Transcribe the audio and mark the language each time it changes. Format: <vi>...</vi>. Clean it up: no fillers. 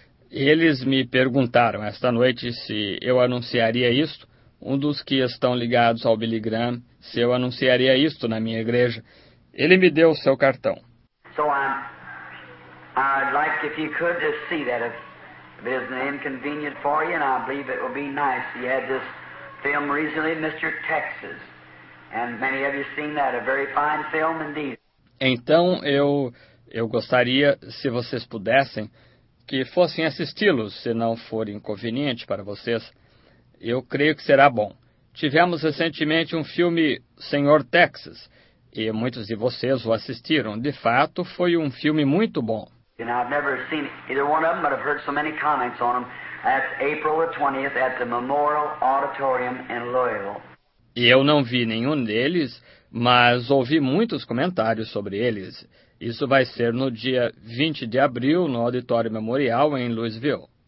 <pt>Eles me perguntaram esta noite se eu anunciaria isto. Um dos que estão ligados ao Billy Graham, se eu anunciaria isto na minha igreja. Ele me deu o seu cartão.</pt> <en>So I'd like if you could just see that if it isn't inconvenient for you, and I believe it would be nice. You had this film recently, Mr. Texas, and many of you seen that, a very fine film indeed.</en> <pt>Então eu gostaria, se vocês pudessem, que fossem assisti-los, se não for inconveniente para vocês. Eu creio que será bom. Tivemos recentemente um filme, Senhor Texas, e muitos de vocês o assistiram. De fato, foi um filme muito bom.</pt> <en>And I've never seen either one of them, but I've heard so many comments on them. That's April the 20th at the Memorial Auditorium in Louisville.</en> <pt>E eu não vi nenhum deles, mas ouvi muitos comentários sobre eles. Isso vai ser no dia 20 de abril, no Auditório Memorial, em Louisville.</pt>